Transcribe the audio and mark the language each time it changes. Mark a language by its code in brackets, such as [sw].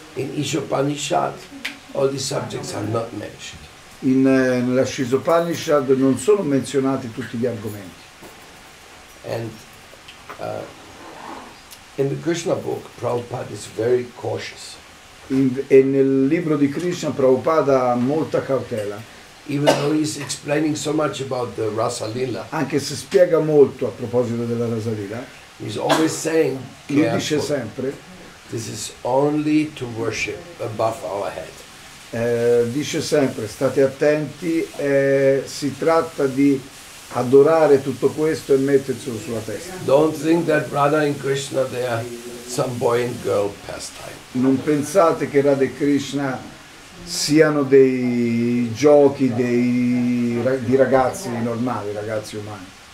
[en] In Ishopanishad all the subjects are not mentioned. [it] In nella Ishopanishad non sono menzionati tutti gli argomenti. [en] And in the Krishna book Prabhupada is very cautious. [it] E nel libro di Krishna Prabhupada ha molta cautela. [en] Even though he's explaining so much about the Rasa Lila. [it] Anche se spiega molto a proposito della Rasa Lila. [en] He's always saying, [it] lui dice sempre, [en] this is only to worship above our head. [it] Dice sempre, state attenti, si tratta di adorare tutto questo e metterlo sulla testa. [en] Don't think that Radha and Krishna they are some boy and girl pastime. [it] Non pensate che Radha e Krishna siano dei giochi di ragazzi normali, ragazzi umani.